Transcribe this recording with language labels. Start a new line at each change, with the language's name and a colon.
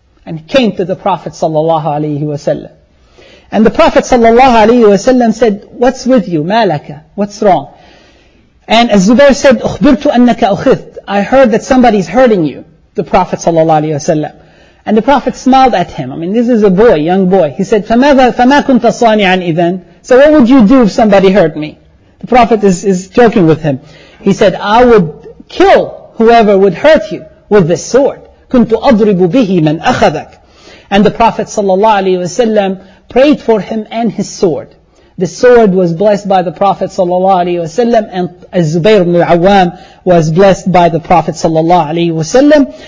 English: and came to the Prophet sallallahu alayhi wa sallam. And the Prophet sallallahu alayhi wa sallam said, what's with you? Malaka? What's wrong? And as Zubair said,
Arabic: أخبرتُ أنك أخذت.
English: I heard that somebody's hurting you, the Prophet sallallahu alayhi wa sallam. And the Prophet smiled at him. I mean, this is a boy, young boy. He said,
Arabic: فَمَا كُنْتَ صَانِعًا إِذَنْ.
English: So what would you do if somebody hurt me? The Prophet is joking with him. He said, I would kill whoever would hurt you with this sword.
Arabic: كُنْتُ أَضْرِبُ بِهِ مَنْ أَخَذَكَ.
English: And the Prophet sallallahu alayhi wa sallam prayed for him and his sword. The sword was blessed by the Prophet sallallahu alayhi wa sallam, and Zubair ibn al-Awwam was blessed by the Prophet sallallahu alayhi wa sallam.